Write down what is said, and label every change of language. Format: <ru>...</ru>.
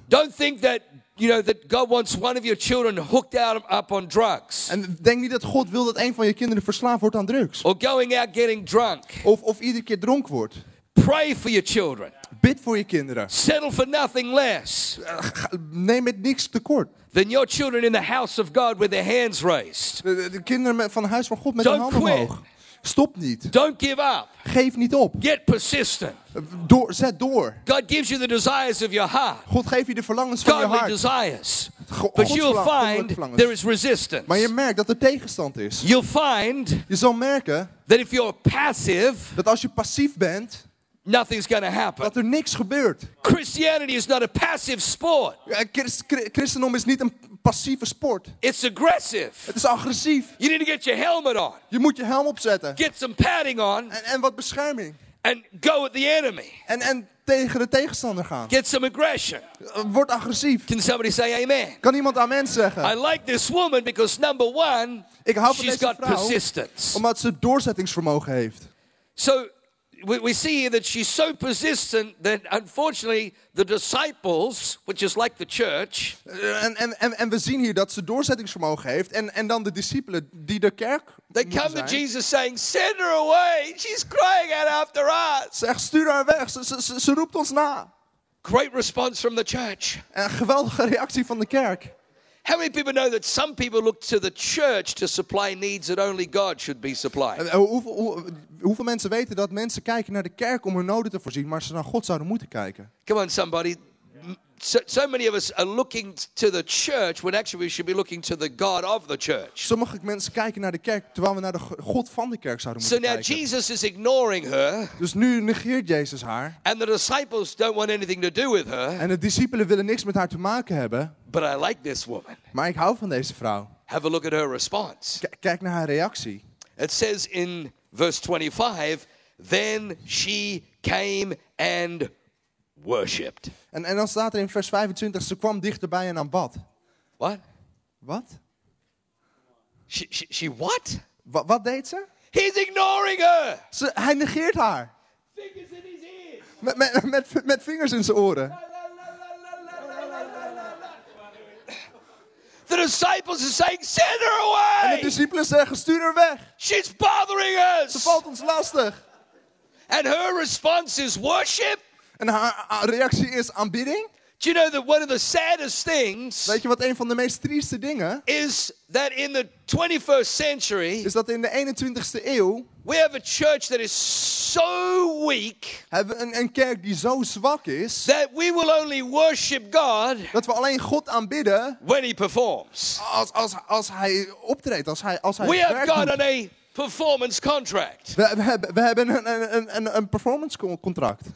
<en>Don't think that you know that God wants one of your children hooked up on drugs.</en> <nl>En denk niet dat God wil dat een van je kinderen verslaafd wordt aan drugs.</nl> <en>Or going out getting drunk.</en> <nl>Of iedere keer dronk wordt.</nl> <en>Pray for your children.</en> <nl>Bid voor je kinderen.</nl> <en>Settle for nothing less.</en> <nl>Neem het niks tekort.</nl> <en>Then your children in the house of God with their hands raised.</en> <nl>De kinderen van huis van God met hun handen omhoog. Stop niet.</nl> <en>Don't give up.</en> <nl>Geef niet op.</nl> <en>Get persistent.</en> <nl>Zet door.</nl> <en>God gives you the desires of your heart.</en> <nl>God geeft je de verlangens van je hart.</nl> <en>Godly desires. But you'll find there is resistance.</en> <nl>Maar je merkt dat er tegenstand is.</nl> <en>You'll find.</en> <nl>Je zal merken.</nl> <en>That if you're passive.</en> <nl>Dat als je passief bent.</nl> <en>Nothing's going to happen.</en> <nl>Dat er niks gebeurt.</nl> <en>Christianity is not a passive sport.</en> <nl>Christendom is niet een passieve sport.</nl> <en>It's aggressive.</en> <nl>Het is agressief.</nl> <en>You need to get your helmet on.</en> <nl>Je moet je helm opzetten.</nl> <en>Get some padding on.</en> <nl>En wat bescherming.</nl> <en>And go at the enemy.</en> <nl>En tegen de tegenstander gaan.</nl> <en>Get some aggression.</en> <nl>Word agressief.</nl> <en>Can somebody say amen?</en> <nl>Kan iemand amen zeggen?</nl> <en>I like this woman because number one,</en> <nl>ik hou van</nl> <en>she's</en> <nl>deze</nl> <en>got</en> <nl>vrouw,</nl> <en>persistence.</en> <nl>Omdat ze doorzettingsvermogen heeft.</nl> <en>So we see here that she's so persistent that unfortunately the disciples, which is like the church,</en> <nl>en we zien hier dat ze doorzettingsvermogen heeft en dan de discipelen die de kerk</nl> <en>they come</en> <nl>zijn,</nl> <en>to Jesus saying, send her away, she's crying out after us.</en> <nl>Zeg, stuur haar weg, ze roept ons na.</nl> <en>Great response from the church.</en> <nl>Een geweldige reactie van de kerk.</nl> <en>How many people know that some people look to the church to supply needs that only God should be supplying?</en> <nl>Hoeveel mensen weten dat mensen kijken naar de kerk om hun noden te voorzien, maar ze naar God zouden moeten kijken?</nl> <en>Come on, somebody. So many of us are looking to the church when actually we should be looking to the God of the church.</en> <nl>Sommige mensen kijken naar de kerk terwijl we naar de God van de kerk zouden moeten kijken.</nl> <en>So now Jesus is ignoring her.</en> <nl>Dus nu negeert Jezus haar.</nl> <en>And the disciples don't want anything to do with her.</en> <nl>En de discipelen willen niks met haar te maken hebben.</nl> <en>But I like this woman.</en> <nl>Maar ik hou van deze vrouw.</nl> <en>Have a look at her response.</en> <nl>Kijk naar haar reactie.</nl> <en>It says in verse 25, then she came and worshipped.</en> <nl>En dan staat er in vers 25, ze kwam dichterbij en aanbad.</nl> <en>What? What? She what?</en> <nl>Wat deed ze?</nl> <en>He's ignoring her.</en> <nl>Hij negeert haar.</nl> <en>Fingers in his ears.</en> <nl>Met vingers in zijn oren.</nl> <en>The disciples are saying, send her away.</en> <nl>En de discipelen zeggen, stuur haar weg.</nl> <en>She's bothering us.</en> <nl>Ze valt ons lastig.</nl> <en>And her response is worship.</en> <nl>En haar reactie is aanbidding.</nl> <en>Do you know that one of the saddest things?</en> <nl>Weet je wat een van de meest trieste dingen?</nl> <en>Is that in the 21st century?</en> <nl>Is dat in de 21ste eeuw?</nl> <en>We have a church that is so weak.</en> <nl>Hebben een kerk die zo zwak is.</nl> <en>That we will only worship God.</en> <nl>Dat we alleen God aanbidden.</nl> <en>When he performs.</en> <nl>Als hij optreedt, als hij werkt.</nl> <en>We have God on a performance contract.</en> <nl>We hebben een performance contract.</nl>